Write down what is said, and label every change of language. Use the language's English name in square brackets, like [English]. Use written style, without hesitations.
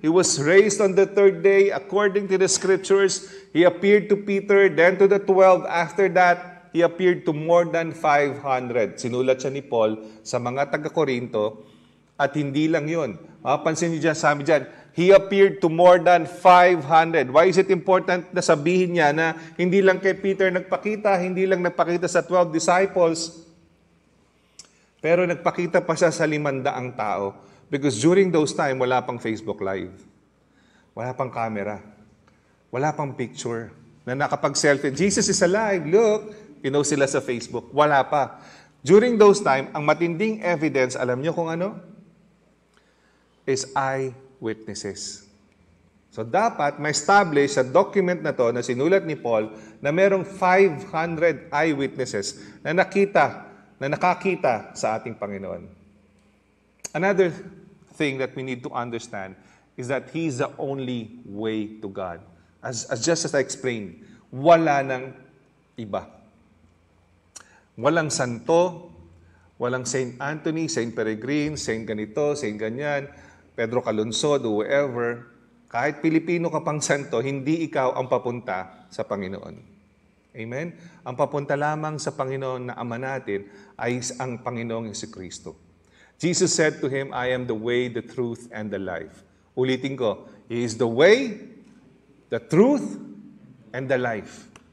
[English] He was raised on the third day according to the scriptures. He appeared to Peter, then to the 12. After that, He appeared to more than 500. [Filipino] Sinulat siya ni Paul sa mga taga-Korinto At hindi lang yun. Mapansin niyo dyan, sabi dyan, [English] he appeared to more than 500. Why is it important [Filipino] na sabihin niya na hindi lang kay Peter nagpakita, hindi lang nagpakita sa 12 disciples, pero nagpakita pa siya sa 500 tao? [English] Because during those time, [Filipino] wala pang Facebook Live. Wala pang camera. Wala pang picture na nakapag-selfie. [English] Jesus is alive, look! [Filipino] Pinaw sila sa Facebook. Wala pa. [English] During those time, [Filipino] ang matinding evidence, alam niyo kung ano? Is eyewitnesses. So dapat ma-establish sa document na to na sinulat ni Paul na merong 500 eyewitnesses na nakita, na nakakita sa ating Panginoon. [English] Another thing that we need to understand is that He is the only way to God. As I explained, [Filipino] wala nang iba. Walang santo, walang Saint Anthony, Saint Peregrine, Saint ganito, Saint ganyan, Pedro Calunsod, whoever, kahit Pilipino ka pang santo, hindi ikaw ang papunta sa Panginoon. Amen? Ang papunta lamang sa Panginoon na Ama natin ay ang Panginoong Jesucristo. [English] Jesus said to him, I am the way, the truth, and the life. [Filipino] Ulitin ko, [English] He is the way, the truth, and the life.